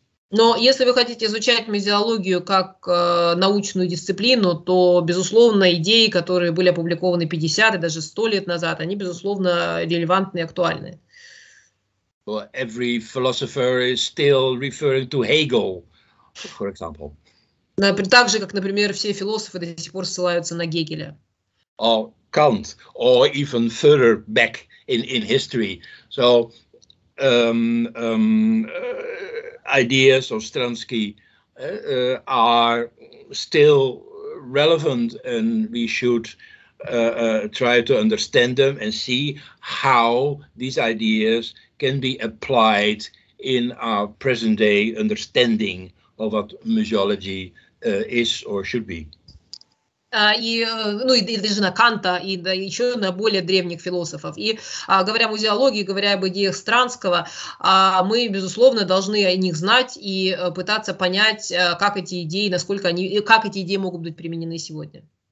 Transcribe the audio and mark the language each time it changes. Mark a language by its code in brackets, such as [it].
[ru] Но если вы хотите изучать музеологию как научную дисциплину, то, безусловно, идеи, которые были опубликованы 50 и даже 100 лет назад, они, безусловно, релевантны и актуальны. [en] Well, every philosopher is still referring to Hegel, for example. [ru] Так же, как, например, все философы до сих пор ссылаются на Гегеля. [en] Or Kant, or even further back in history. So, ideas of Stransky are still relevant, and we should try to understand them and see how these ideas can be applied in our present-day understanding of what museology is or should be. [ru] И даже на Канта, и да, еще на более древних философов. И говоря о музеологии, говоря об идеях Странского, мы, безусловно, должны о них знать и пытаться понять, как эти идеи, насколько они, как эти идеи могут быть применены сегодня.